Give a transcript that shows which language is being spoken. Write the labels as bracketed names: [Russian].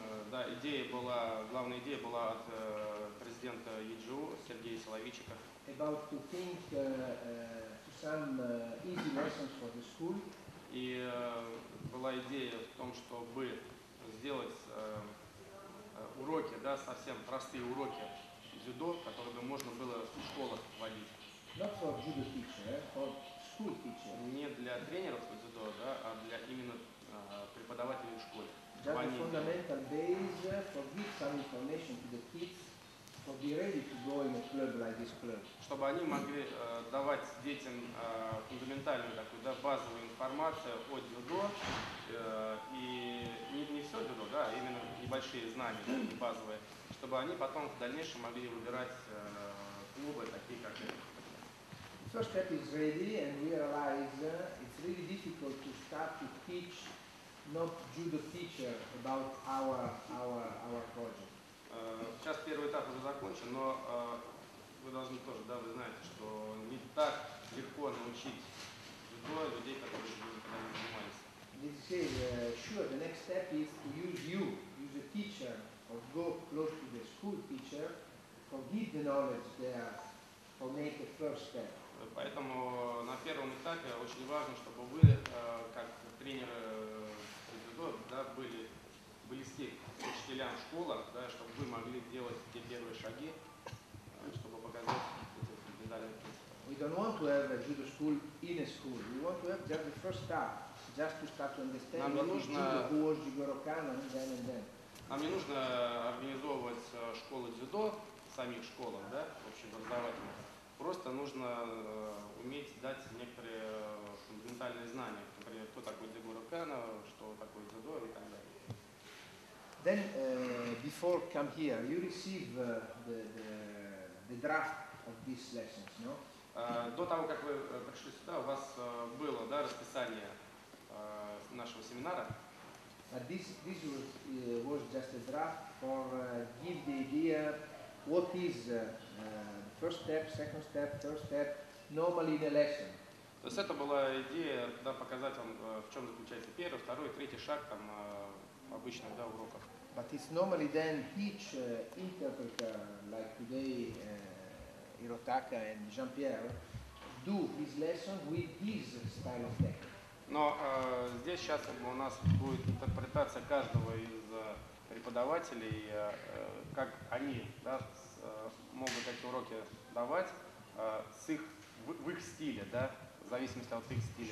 [Russian] Да, идея была, главная идея была от президента ЕДЖУ Сергея Соловичика. [English] About to think to some easy lessons for the school. [Russian] И была идея в том, чтобы сделать уроки, да, совсем простые уроки дзюдо, которые бы можно было в школах вводить. [English] Not for judo teacher, for school teacher. [Russian] Не для тренеров по дзюдо, да, а для именно преподавателей в школе. [English] Just a fundamental base for give some information to the kids for be ready to go in a club like this club. [Russian] Чтобы они могли давать детям фундаментальную такую, да, базовую информацию о дзюдо, и не все дзюдо, да, а именно небольшие знания, да, базовые, чтобы они потом в дальнейшем могли выбирать клубы такие, как это. [English] First step is ready and we realize it's really difficult to start to teach not judo teacher about our project. [Russian] Сейчас первый этап уже закончен, но вы должны тоже, да, вы знаете, что не так легко научить дзюдо людей, которые уже когда-нибудь занимались. [English] This is sure the next step is to use you, use a teacher or go close to the school teacher to give the knowledge there for make the first step. [Russian] Поэтому на первом этапе очень важно, чтобы вы, как тренер дзюдо, да, были близки к учителям в школах, да, чтобы вы могли делать те первые шаги, чтобы показать эти фундаментальные принципы. [English] We don't want to have a judo school in a school. We want to have just the first step, just to start to understand what [Russian] нужно... [English] judo was, Jigoro-kan, and then and then. [Russian] Нам не нужно организовывать школы дзюдо в самих школах, да, в общем, образовательных. Просто нужно уметь дать некоторые фундаментальные знания, например, кто такой Дзигуро Кано, что такое дзюдо и так далее. [English] Then before come here, you receive the draft of these lessons, no? [Russian] До того, как вы пришли сюда, у вас было, да, расписание нашего семинара. [English] This was just a draft for give the idea what is first step, second step, third step, normally in a lesson. [Russian] То есть это была идея, да, показать вам, в чем заключается первый, второй, третий шаг там обычных, да, уроков. [English] But it's normally then each interpreter, like today Hirotaka and Jean-Pierre, do his lesson with his style of technique. [Russian] Но здесь сейчас у нас будет интерпретация каждого из преподавателей, как они, да, могут эти уроки давать в их стиле, да, в зависимости от их стиля.